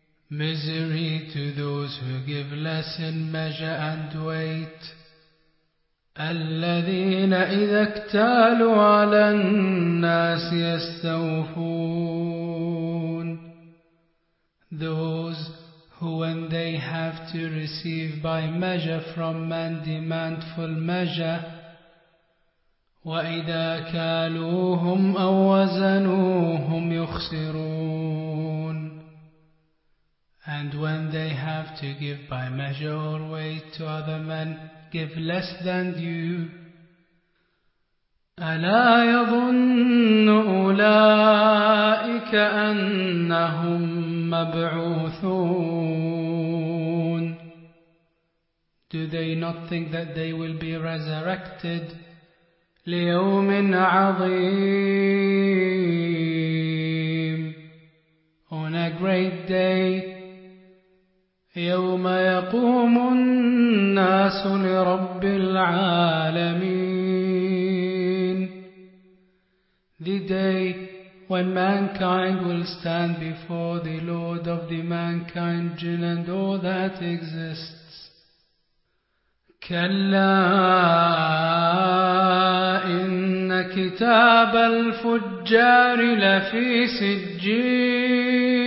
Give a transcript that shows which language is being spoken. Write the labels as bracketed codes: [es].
[en] Misery to those who give less in measure and weight. [ar] الذين إذا اكتالوا على الناس يستوفون. [en] Those who when they have to receive by measure from men demand full measure. [ar] وإذا كالوهم أو وزنوهم يخسرون. [en] And when they have to give by measure or weight to other men, give less than due. [ar] ألا يظن أولئك أنهم مبعوثون. [en] Do they not think that they will be resurrected? [ar] ليوم عظيم. [en] On a great day. [ar] يوم يقوم الناس لرب العالمين. [en] The day when mankind will stand before the Lord of the mankind, jinn and all that exists. [ar] كلا إن كتاب الفجار لفي سجين.